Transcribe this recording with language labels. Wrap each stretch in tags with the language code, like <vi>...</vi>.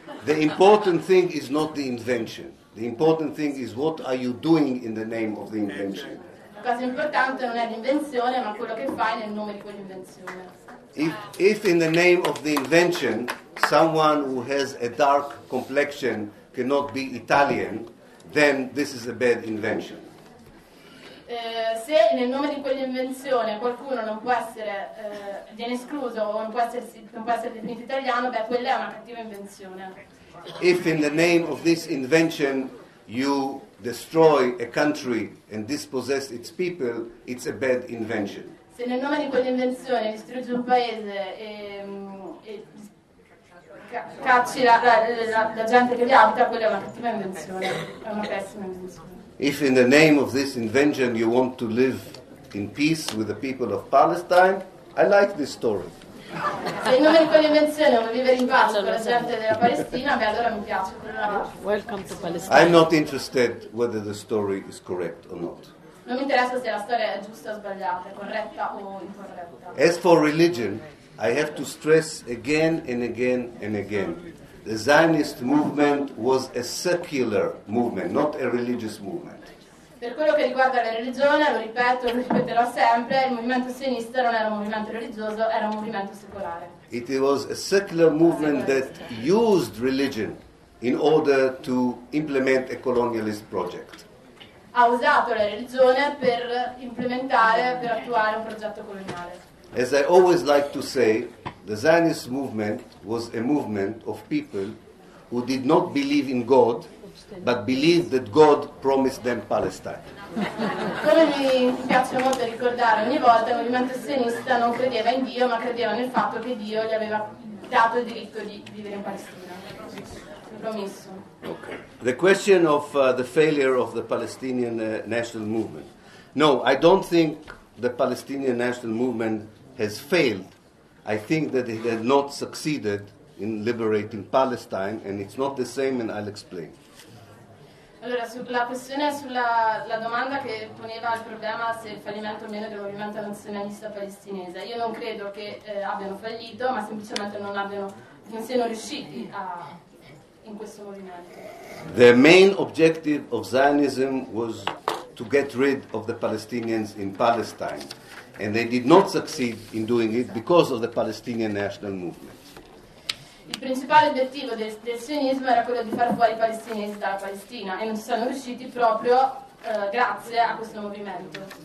<en>The important thing is not the invention. The important thing is what are you doing in the name of the invention.</en> <it>La cosa importante non è l'invenzione, ma quello che fai nel nome di quell'invenzione.</it> <en>If in the name of the invention someone who has a dark complexion cannot be Italian, then this is a bad invention.</en> <it>Se nel nome di quell'invenzione qualcuno non può essere viene escluso o non può essere definito italiano, beh, quella è una cattiva invenzione.</it> <en>If in the name of this invention you destroy a country and dispossess its people, it's a bad invention.</en> <it>Se nel nome di quell'invenzione distruggi un paese e cacci la gente che vi abita, quella è una cattiva invenzione, è una pessima invenzione.</it> <en>If in the name of this invention you want to live in peace with the people of Palestine, I like this story.</en> <it>Se il nome di quell'invenzione è vivere in pace con la gente della Palestina, beh, allora mi piace.</it> <en>Welcome to Palestine. I'm not interested whether the story is correct or not.</en> <it>Non mi interessa se la storia è giusta o sbagliata, corretta o incorretta.</it> <en>As for religion, I have to stress again and again and again. The Zionist movement was a secular movement, not a religious movement.</en> <it>Per quello che riguarda la religione, lo ripeterò sempre, il movimento sionista non era un movimento religioso, era un movimento secolare.</it> <en>It was a secular movement that used religion in order to implement a colonialist project.</en> <it>Ha usato la religione per implementare, per attuare un progetto coloniale.</it> <en>As I always like to say, the Zionist movement was a movement of people who did not believe in God, but believed that God promised them Palestine.</en> <it>Come mi piace molto ricordare ogni volta, il movimento sionista non credeva in Dio, ma credeva nel fatto che Dio gli aveva dato il diritto di vivere in Palestina. Promesso.</it> <en>Okay. The question of the failure of the Palestinian national movement. No, I don't think the Palestinian national movement has failed. I think that it has not succeeded in liberating Palestine, and it's not the same, and I'll explain.</en> <it>Allora, sulla questione, sulla domanda che poneva il problema se il fallimento o meno del movimento nazionalista palestinese, io non credo che abbiano fallito, ma semplicemente non siano riusciti in questo movimento.</it> <en>The main objective of Zionism was to get rid of the Palestinians in Palestine, and they did not succeed in doing it because of the Palestinian national movement.</en> <it>Il principale obiettivo del sionismo era quello di far fuori i palestinesi dalla Palestina e non ci sono riusciti proprio grazie a questo movimento.</it>